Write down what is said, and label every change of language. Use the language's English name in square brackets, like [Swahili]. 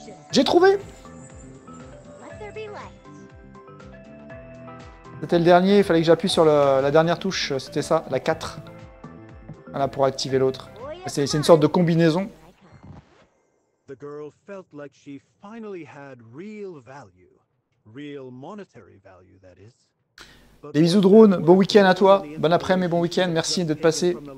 [French] J'ai trouvé! C'était le dernier, il fallait que j'appuie sur la dernière touche, c'était ça, la 4. Voilà, pour activer l'autre. C'est une sorte de combinaison. [English] The girl felt like she finally had real value. Real monetary value, that is. [French] Des bisous drone, bon week-end à toi, bon après-midi, bon week-end, merci d'être passé.